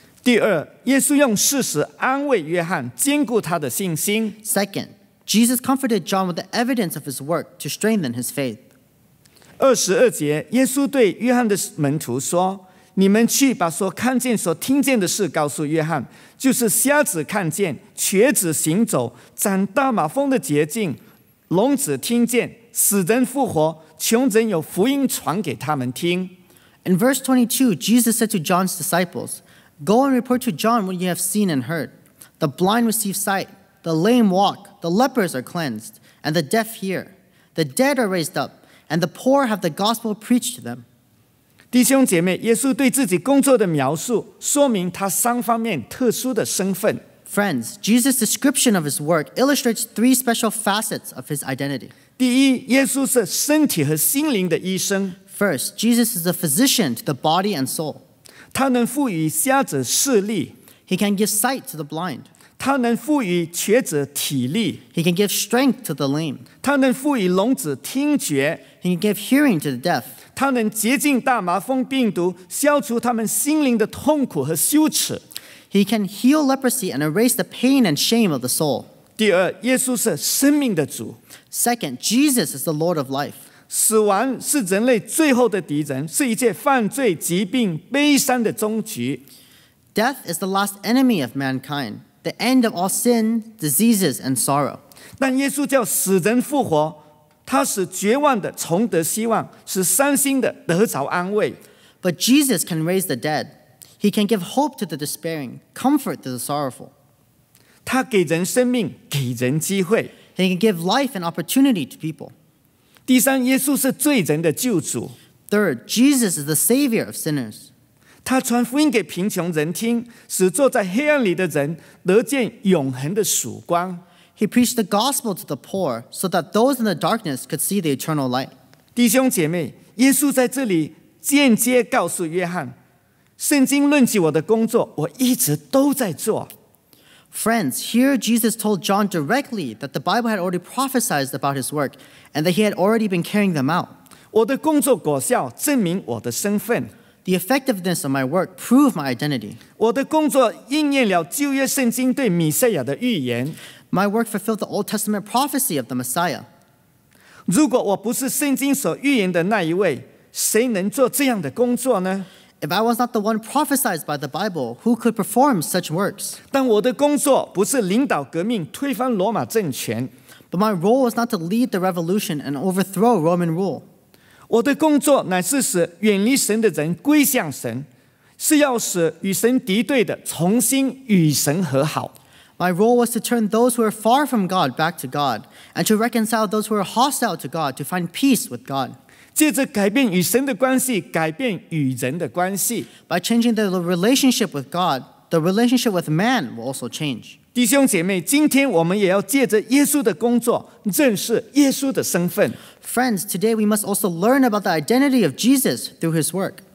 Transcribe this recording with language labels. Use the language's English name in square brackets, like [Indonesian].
[Chinese] 第二，耶稣用事实安慰约翰，坚固他的信心。 [English] Second, Jesus comforted John with the evidence of his work to strengthen his faith. [Chinese] 二十二节，耶稣对约翰的门徒说，你们去把所看见、所听见的事告诉约翰，就是瞎子看见、瘸子行走、斩大马蜂的捷径、聋子听见、死人复活、穷人有福音传给他们听。 [English] In verse 22, Jesus said to John's disciples, Go and report to John what you have seen and heard. The blind receive sight, the lame walk, the lepers are cleansed, and the deaf hear. The dead are raised up, and the poor have the gospel preached to them. [Chinese] 弟兄姐妹，耶稣对自己工作的描述说明他三方面特殊的身份。 [English] Friends, Jesus' description of his work illustrates three special facets of his identity. [Chinese] 第一，耶稣是身体和心灵的医生。 [English] First, Jesus is a physician to the body and soul. [Chinese] 他能赋予瞎子视力。 [English] He can give sight to the blind. [Chinese] 他能赋予瘸子体力。 [English] He can give strength to the lame. [Chinese] 他能赋予聋子听觉。 [English] He can give hearing to the deaf. [Chinese] 他能洁净大麻风病毒，消除他们心灵的痛苦和羞耻。 [English] He can heal leprosy and erase the pain and shame of the soul. [Chinese] 第二，耶稣是生命的主。 [English] Second, Jesus is the Lord of life. [Chinese] 死亡是人类最后的敌人，是一切犯罪、疾病、悲伤的终局。 [English] Death is the last enemy of mankind, the end of all sin, diseases, and sorrow. [Chinese] 但耶稣叫死人复活，他使绝望的重得希望，使伤心的得着安慰。 [English] But Jesus can raise the dead. He can give hope to the despairing, comfort to the sorrowful. [Chinese] 他给人生命，给人机会。 [English] He can give life and opportunity to people. [Chinese] 第三，耶稣是罪人的救主。 [English] Third, Jesus is the savior of sinners. [Chinese] 他传福音给贫穷人听，使坐在黑暗里的人得见永恒的曙光。 [English] He preached the gospel to the poor so that those in the darkness could see the eternal light. [Chinese] 弟兄姐妹，耶稣在这里间接告诉约翰，圣经论及我的工作，我一直都在做。 [English] Friends, here Jesus told John directly that the Bible had already prophesied about his work and that he had already been carrying them out. [Chinese] 我的工作果效证明我的身份。 [English] The effectiveness of my work proved my identity. [Chinese] 我的工作应验了旧约圣经对弥赛亚的预言。 [English] My work fulfilled the Old Testament prophecy of the Messiah. [Chinese] 如果我不是圣经所预言的那一位，谁能做这样的工作呢？ [English] If I was not the one prophesied by the Bible, who could perform such works? [Chinese] 但我的工作不是领导革命，推翻罗马政权。 [English] But my role was not to lead the revolution and overthrow Roman rule. [Chinese] 我的工作乃是使远离神的人归向神，是要使与神敌对的重新与神和好。 [English] My role was to turn those who are far from God back to God, and to reconcile those who are hostile to God to find peace with God. [Chinese] 借着改变与神的关系，改变与人的关系。 [English] By changing the relationship with God, the relationship with man will also change. [Chinese] 弟兄姐妹，今天我们也要借着耶稣的工作，认识耶稣的身份。 [English] Friends, today we must also learn about the identity of Jesus through his work.